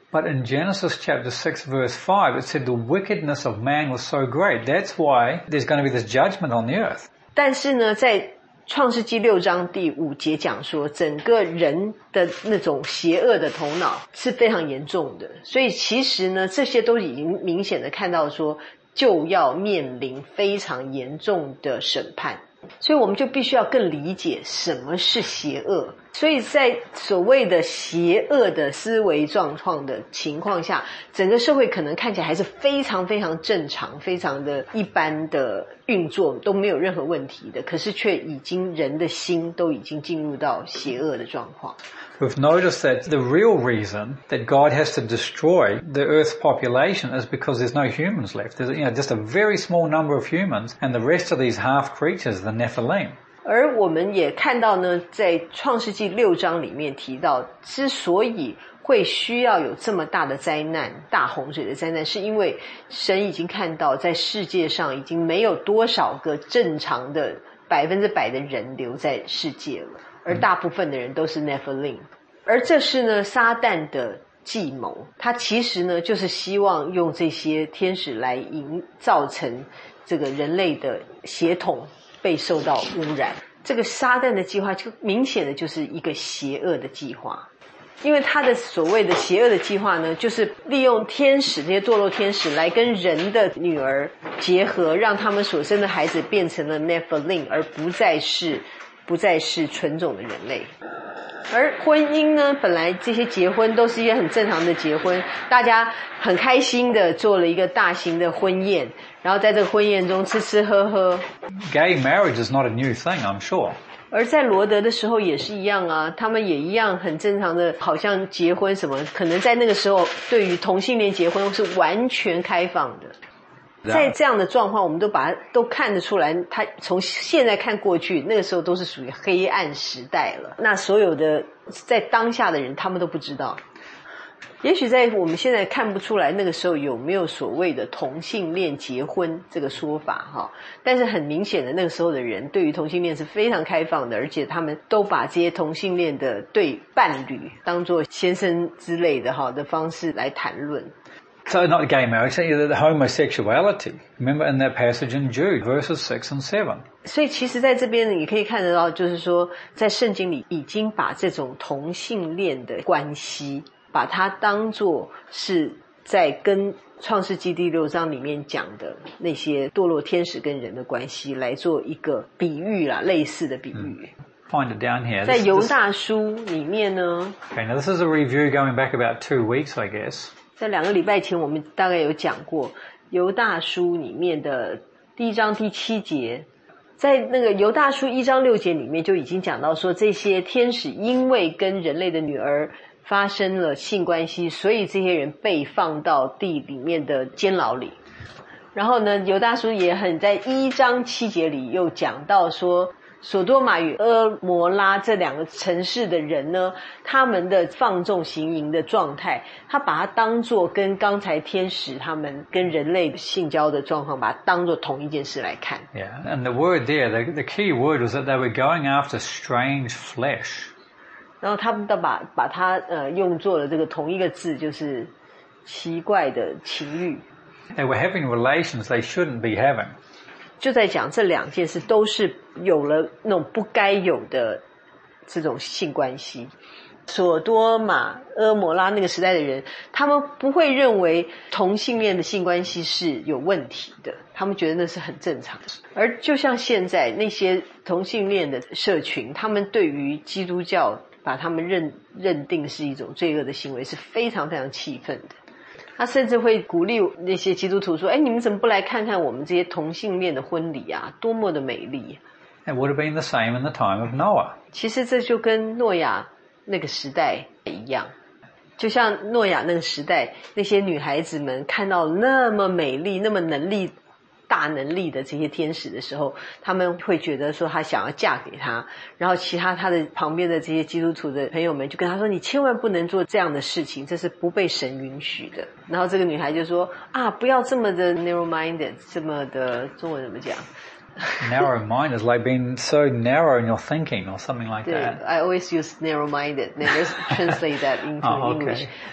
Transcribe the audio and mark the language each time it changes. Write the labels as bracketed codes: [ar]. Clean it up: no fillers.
[en] But in Genesis chapter 6 verse 5, it said the wickedness of man was so great. That's why there's going to be this judgment on the earth. [zh] 但是呢，在创世纪六章第五节讲说，整个人的那种邪恶的头脑是非常严重的。所以其实呢，这些都已经明显的看到说，就要面临非常严重的审判。所以我们就必须要更理解什么是邪恶。所以在所谓的邪恶的思维状况的情况下，整个社会可能看起来还是非常非常正常，非常的一般的运作，都没有任何问题的，可是却已经人的心都已经进入到邪恶的状况。 [en] We've noticed that the real reason that God has to destroy the earth's population is because there's no humans left. There's, you know, just a very small number of humans and the rest of these half creatures, the Nephilim. [zh] 而我们也看到呢，在创世纪六章里面提到，之所以会需要有这么大的灾难，大洪水的灾难，是因为神已经看到在世界上已经没有多少个正常的100%的人留在世界了，而大部分的人都是 Nephilim。而这是呢撒旦的计谋，他其实呢就是希望用这些天使来营造成这个人类的血统，被受到污染。这个撒旦的计划就明显的就是一个邪恶的计划，因为他的所谓的邪恶的计划呢，就是利用天使，这些堕落天使来跟人的女儿结合，让他们所生的孩子变成了 Nephilim， 而不再是纯种的人类。而婚姻呢，本来这些结婚都是一些很正常的结婚，大家很开心的做了一个大型的婚宴，然后在这个婚宴中吃吃喝喝。 [en] Gay marriage is not a new thing, I'm sure. [zh] 而在罗德的时候也是一样啊，他们也一样很正常的，好像结婚什么，可能在那个时候对于同性恋结婚是完全开放的。在这样的状况，我们都把它都看得出来，它从现在看过去，那个时候都是属于黑暗时代了。那所有的在当下的人，他们都不知道。也许在我们现在看不出来那个时候有没有所谓的同性恋结婚这个说法，但是很明显的那个时候的人对于同性恋是非常开放的，而且他们都把这些同性恋的对伴侣当作先生之类的方式来谈论。 [en] So not gay marriage, the homosexuality. Remember in that passage in Jude, verses 6 and 7. [zh] 所以其实在这边你可以看得到，就是说在圣经里已经把这种同性恋的关系把它当作是在跟创世纪第六章里面讲的那些堕落天使跟人的关系来做一个比喻啦，类似的比喻。 [en] Find it down here. [zh] 在犹大书里面呢。 [en] Okay, now this is a review going back about 2 weeks, I guess. [zh] 在两个礼拜前我们大概有讲过犹大书里面的第一章第七节，在那个犹大书一章六节里面就已经讲到说，这些天使因为跟人类的女儿发生了性关系，所以这些人被放到地里面的监牢里。然后呢，犹大书也很在一章七节里又讲到说，索多玛与俄摩拉这两个城市的人呢，他们的放纵行淫的状态，他把它当作跟刚才天使他们跟人类性交的状况，把它当作同一件事来看。 [en] Yeah, and the word there, the key word was that they were going after strange flesh. [zh] 然后他们都把它用作了这个同一个字，就是奇怪的情欲。 [en] They were having relations they shouldn't be having. [zh] 就在讲这两件事都是有了那种不该有的这种性关系。索多玛、阿摩拉那个时代的人，他们不会认为同性恋的性关系是有问题的，他们觉得那是很正常的。而就像现在那些同性恋的社群，他们对于基督教把他们认定是一种罪恶的行为是非常非常气愤的。他甚至会鼓励那些基督徒说，哎，你们怎么不来看看我们这些同性恋的婚礼啊，多么的美丽。 [en] It would have been the same in the time of Noah. [zh] 其实这就跟诺亚那个时代一样。就像诺亚那个时代，那些女孩子们看到那么美丽，那么能力，大能力的这些天使的时候，他们会觉得说他想要嫁给他，然后其他他的旁边的这些基督徒的朋友们就跟他说，你千万不能做这样的事情，这是不被神允许的。然后这个女孩就说啊，不要这么的 narrow-minded， 这么的中文怎么讲 [en] narrow-minded is like being so narrow in your thinking or something like that. I always use narrow-minded, never translate that into English.